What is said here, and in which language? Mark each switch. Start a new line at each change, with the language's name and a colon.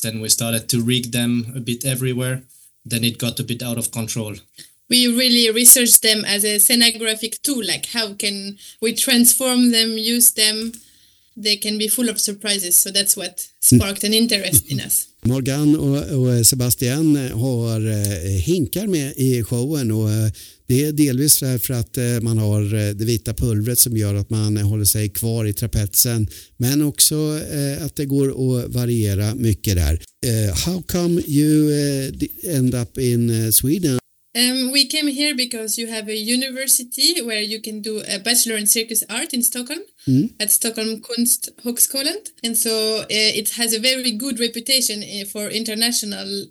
English: Then we started to rig them a bit everywhere, then it got a bit out of control. We really researched them as a scenographic tool, like how can we transform them, use them. They can be full of surprises, so that's what sparked an interest in us.
Swedish: Morgan och Sebastian har hinkar med i showen, och det är delvis för att man har det vita pulvret som gör att man håller sig kvar i trapetsen, men också att det går att variera mycket där.
English: How come you end up in Sweden? We came here because you have a university where you can do a bachelor in circus art in Stockholm, at Stockholm Kunsthögskolan. And so it has a very good reputation for international.